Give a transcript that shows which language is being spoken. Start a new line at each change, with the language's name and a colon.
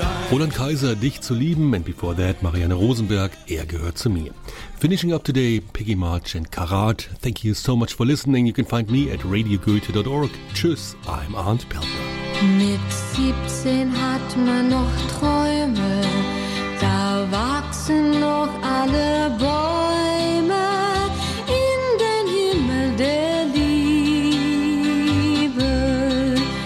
English: Roland Kaiser, dich zu lieben, and before that, Marianne Rosenberg, er gehört zu mir. Finishing up today, Peggy March and Karat. Thank you so much for listening. You can find me at radiogoethe.org. Tschüss, I'm Arndt Peltner.
German: Mit 17 hat man noch Träume, da wachsen noch alle Bäume in den Himmel der Liebe.